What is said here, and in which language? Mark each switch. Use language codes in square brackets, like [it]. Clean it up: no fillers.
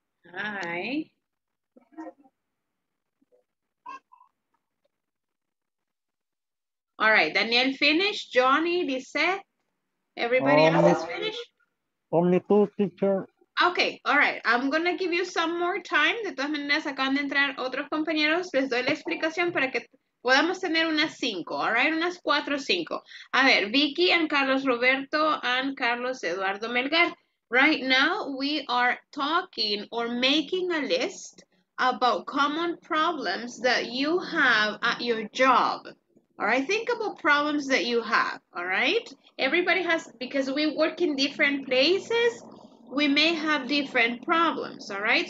[en] Hi. All right, Daniel finished, Johnny, Lisette, everybody else is finished? Only two, teacher. Okay, all right, I'm gonna give you some more time. [es] De todas maneras, acaban de entrar otros compañeros. Les doy la explicación para que podamos tener unas cinco, [en] all right, [es] unas cuatro o cinco. A ver, [en] Vicky and Carlos Roberto and Carlos Eduardo Melgar. Right now, we are talking or making a list about common problems that you have at your job. All right, think about problems that you have, all right? Everybody has, because we work in different places, we may have different problems, all right?